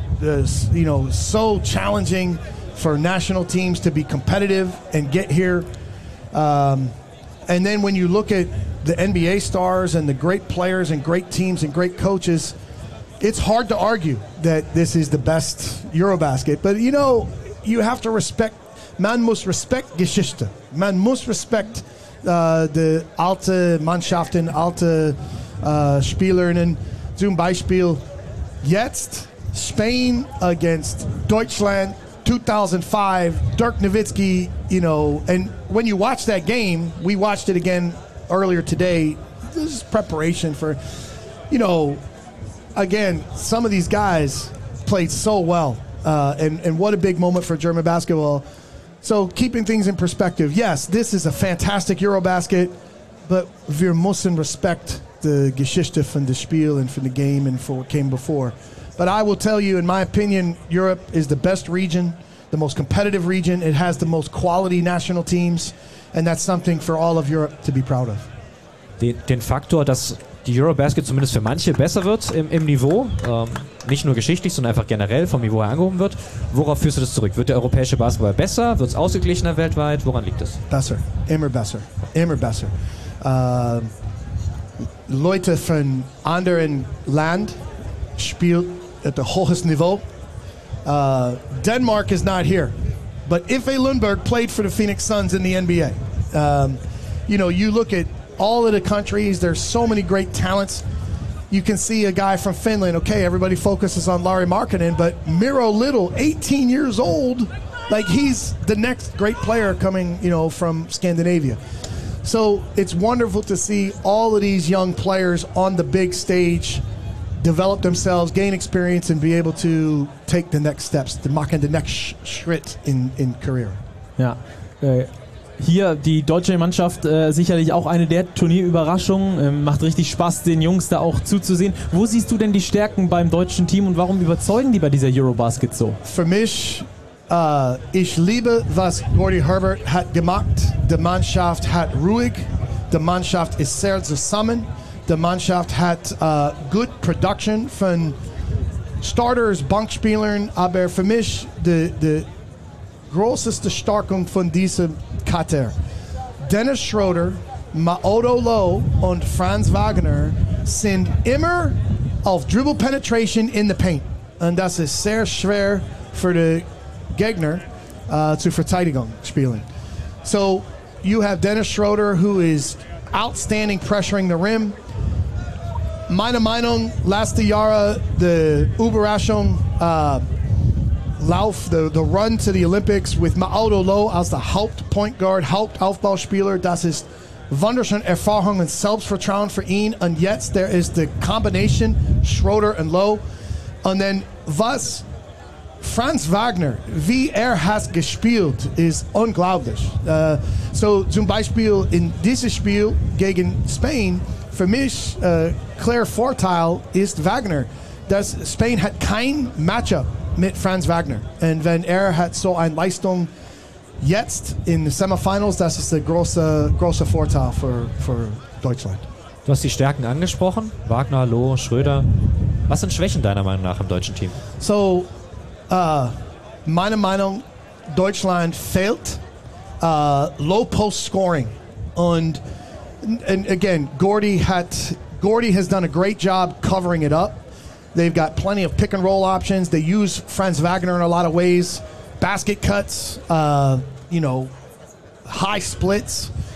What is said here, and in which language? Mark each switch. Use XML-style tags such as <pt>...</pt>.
<en>There's, you know, so challenging for national teams to be competitive and get here. And then when you look at the NBA stars and the great players and great teams and great coaches, it's hard to argue that this is the best Eurobasket. But, you know, you have to respect,</en> <de>man muss respect Geschichte. Man muss</de> <en>respect the</en> <de>alte Mannschaften, alte Spielerinnen. Zum Beispiel, jetzt</de> <en>Spain against Deutschland 2005, Dirk Nowitzki, you know, and when you watch that game, we watched it again earlier today. This is preparation for, you know, again, some of these guys played so well, and what a big moment for German basketball. So keeping things in perspective, yes, this is a fantastic Eurobasket, but</en> <de>wir müssen</de> <en>respect the</en> <de>Geschichte von</de> <en>the Spiel and from the game and for what came before. But I will tell you, in my opinion, Europe is the best region, the most competitive region. It has the most quality national teams. And that's something for all of Europe to be proud of.</en> <de>Den Faktor, dass die Eurobasket zumindest für manche besser wird im Niveau, nicht nur geschichtlich, sondern einfach generell vom Niveau her angehoben wird, worauf führst du das zurück? Wird der europäische Basketball besser? Wird es ausgeglichener weltweit? Woran liegt das? Besser. Immer besser. Immer besser. Leute von anderen Land spielt</de> <en>at the</en> <de>hohest Niveau.</de> <en>Denmark is not here. But Ife Lundberg played for the Phoenix Suns in the NBA. You know, you look at all of the countries, there's so many great talents. You can see a guy from Finland, okay, everybody focuses on Lauri Markkanen, but Miro Little, 18 years old, like he's the next great player coming, you know, from Scandinavia. So it's wonderful to see all of these young players on the big stage develop themselves, gain experience and be able to take the next steps, to</en> <de>machen</de> <en>the next</en> <de>Schritt</de> <en>in career.</en> <de>Ja, hier die deutsche Mannschaft, sicherlich auch eine der Turnierüberraschungen, macht richtig Spaß, den Jungs da auch zuzusehen. Wo siehst du denn die Stärken beim deutschen Team und warum überzeugen die bei dieser Eurobasket so? Für mich, ich liebe, was Gordy Herbert hat gemacht. Die Mannschaft hat ruhig, die Mannschaft ist sehr zusammen. The Mannschaft</de> <en>had good production from starters,</en> <de>Bankspielern, aber für mich the grosseste Stärkung von diesem Kater. Dennis Schroeder, Maodo Lowe und Franz Wagner sind immer auf</de> <en>dribble penetration in the paint.</en> <de>Und das ist sehr schwer für die Gegner zu Verteidigung spielen.</de> <en>So you have Dennis Schroeder, who is outstanding pressuring the rim.</en> <de>Meine Meinung, letzte Jahre, the Überraschung, Lauf,</de> <en>the run to the Olympics with Maodo Lowe as the</en> <de>Hauptpoint Guard, Hauptaufbauspieler, das ist wunderschön Erfahrung und Selbstvertrauen für ihn. Und jetzt,</de> <en>there is the combination, Schroeder and Lowe. And then,</en> <de>was Franz Wagner, wie hat gespielt, ist unglaublich. So, zum Beispiel, in diesem Spiel gegen Spain, für mich, Claire Vorteil ist Wagner. Das Spain hat kein Matchup mit Franz Wagner. Und wenn hat so ein Leistung jetzt in den Semifinals, das ist der große Vorteil für Deutschland. Du hast die Stärken angesprochen. Wagner, Loh, Schröder. Was sind Schwächen deiner Meinung nach im deutschen Team? So, meine Meinung, Deutschland fehlt</de> <en>low post scoring. And again, Gordy has done a great job covering it up. They've got plenty of pick and roll options. They use Franz Wagner in a lot of ways. Basket cuts, high splits.</en>